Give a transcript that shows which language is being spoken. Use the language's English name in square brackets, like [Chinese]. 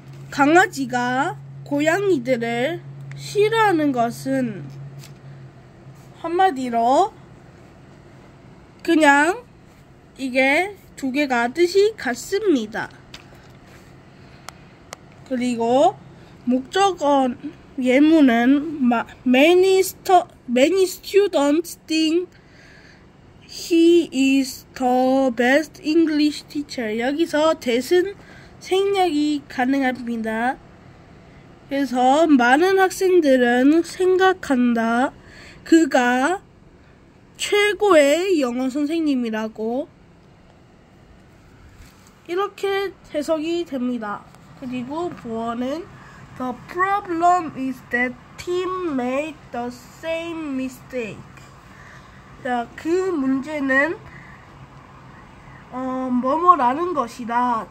[Korean] 강아지가 고양이들을 싫어하는 것은 한마디로 그냥 이게 두 개가 뜻이 같습니다. 그리고 목적어 예문은 [English] many students think he is the best English teacher. [Korean] 여기서 that은 생략이 가능합니다. 그래서 많은 학생들은 생각한다. 그가 최고의 영어 선생님이라고. 이렇게 해석이 됩니다. 그리고 부어는 [English] The problem is that Tim made the same mistake. [Korean] 자, 그 문제는 뭐뭐라는 것이다.